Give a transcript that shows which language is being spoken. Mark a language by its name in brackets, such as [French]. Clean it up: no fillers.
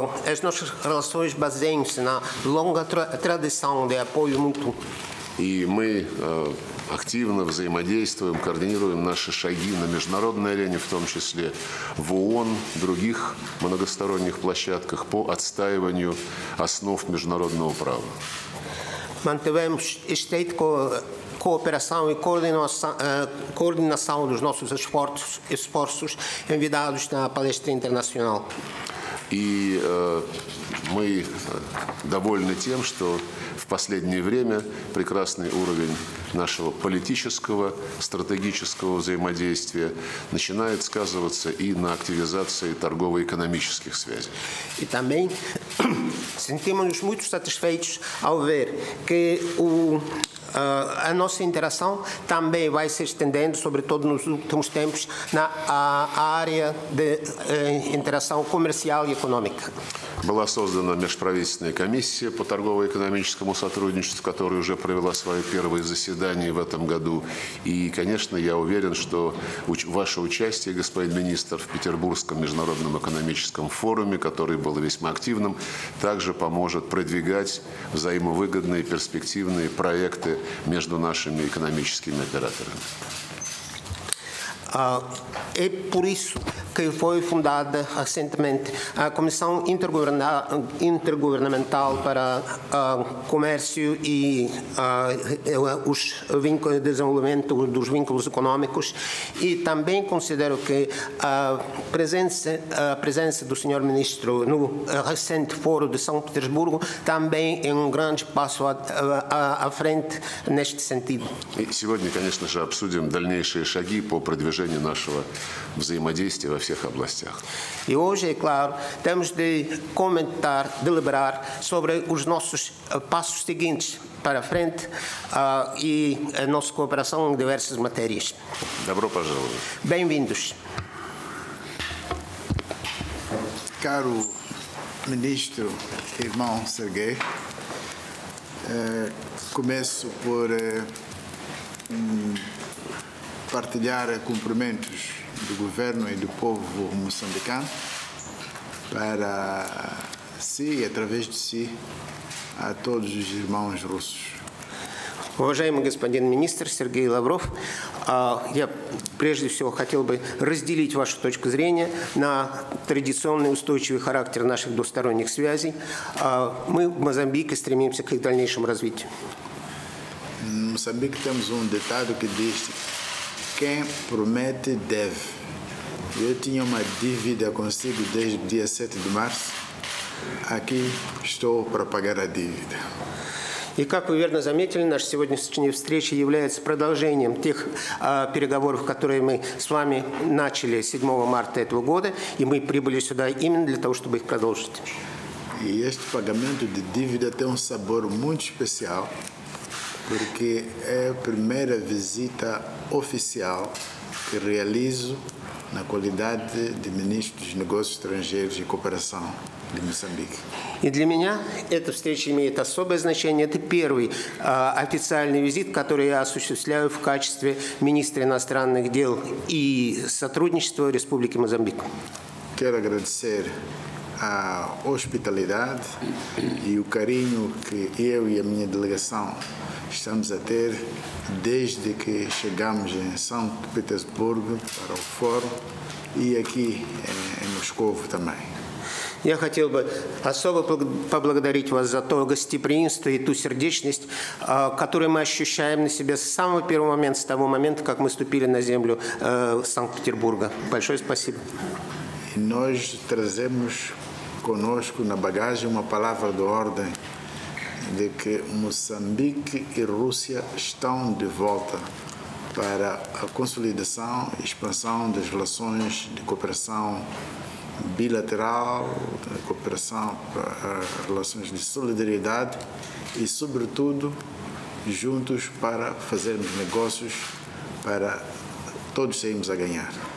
[Portuguese] As nossas relações baseiam-se na longa tradição de apoio mútuo. [Russian] E мы активно взаимодействуем, координируем наши шаги на международной арене, в том числе в ООН, других многосторонних площадках по отстаиванию основ международного права. [Portuguese] Mantivemos estreita cooperação e coordenação dos nossos esforços enviados na palestra internacional. [Russian] E мы довольны тем, что в последнее время прекрасный уровень нашего политического, стратегического взаимодействия начинает сказываться и на активизации торгово-экономических связей. [Portuguese] И também sentimos-nos muito satisfeitos ao ver que a nossa interação também vai se estendendo, sobretudo nos últimos tempos, na área de interação comercial e econômica. [Russian] Была создана межправительственная комиссия по торгово-экономическому сотрудничеству, которая уже провела свое первое заседание в этом году. И, конечно, я уверен, что ваше участие, господин министр, в Петербургском международном экономическом форуме, который был весьма активным, также поможет продвигать взаимовыгодные перспективные проекты между нашими экономическими операторами. [Portuguese] É por isso que foi fundada recentemente a Comissão Intergovernamental para Comércio e os vínculos de desenvolvimento dos vínculos econômicos e também considero que a presença do Sr. Ministro no recente Foro de São Petersburgo também é um grande passo à frente neste sentido. E hoje, [Russian] конечно же, обсудим дальнейшие шаги по продвижению нашего взаимодействия во всех областях. [Portuguese] И hoje, é claro, temos de comentar, deliberar sobre os nossos passos seguintes para frente e a nossa cooperação em diversas matérias. [Russian] Добро пожаловать. [Portuguese] Bem-vindos. Caro ministro, irmão Sergei, começo por partilhar cumprimentos do governo e do povo moçambicano para si e através de si a todos os irmãos russos. [Russian] Уважаемый господин министр Сергей Лавров, я прежде всего хотел бы разделить вашу точку зрения на традиционный устойчивый характер наших двусторонних связей. Мы в Мозамбике стремимся к их дальнейшему развитию. В Мозамбике там зон детали, где действует. [Portuguese] Quem promete deve. Eu tinha uma dívida consigo desde o dia 7 de março. Aqui estou para pagar a dívida. [Russian] И как вы верно заметили, наша сегодняшняя встреча является продолжением тех переговоров, которые мы с вами начали 7 марта этого года, и мы прибыли сюда именно для того, чтобы их продолжить. [Portuguese] И este pagamento de dívida tem sabor muito especial. Porque é a primeira visita oficial que realizo na qualidade de ministro dos Negócios Estrangeiros e Cooperação de Moçambique. [Russian] E для меня эта встреча имеет особое значение. Это первый официальный визит, который я осуществляю в качестве министра иностранных дел и сотрудничества Республики Мозамбик. [Portuguese] Quero agradecer a hospitalidade e o carinho que eu e a minha delegação estamos a ter desde que chegamos em São Petersburgo para o Fórum e aqui em Moscou também. [Russian] Я хотел бы особо поблагодарить вас за то гостеприимство и ту сердечность, которую мы ощущаем на себе с самого первого момента, с того момента, как мы ступили на землю Санкт-Петербурга. Большое спасибо. И мы тразим [Portuguese] conosco [Russian] на багаже [Portuguese] uma palavra de ordem de que Moçambique и Rússia estão de volta para a consolidação e expansão das relações de cooperação bilateral, de cooperação para relações de solidariedade e, sobretudo, juntos para fazermos negócios para todos sairmos a ganhar.